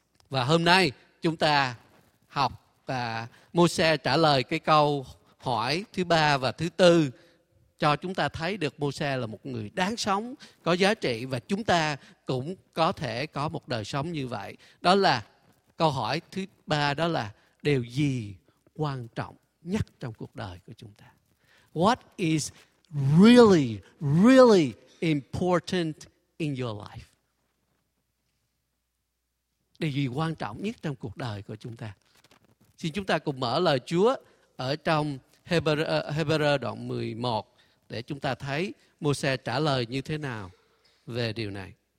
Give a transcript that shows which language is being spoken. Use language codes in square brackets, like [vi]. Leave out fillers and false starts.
[vi] Và hôm nay chúng ta học và Môsê trả lời cái câu hỏi thứ ba và thứ tư, cho chúng ta thấy được Môsê là một người đáng sống, có giá trị, và chúng ta cũng có thể có một đời sống như vậy. Đó là câu hỏi thứ ba, đó là điều gì quan trọng nhất trong cuộc đời của chúng ta? [en] What is really, really important in your life? [vi] Điều gì quan trọng nhất trong cuộc đời của chúng ta? Xin chúng ta cùng mở lời Chúa ở trong Hebrew đoạn 11 để chúng ta thấy Môsê trả lời như thế nào về điều này.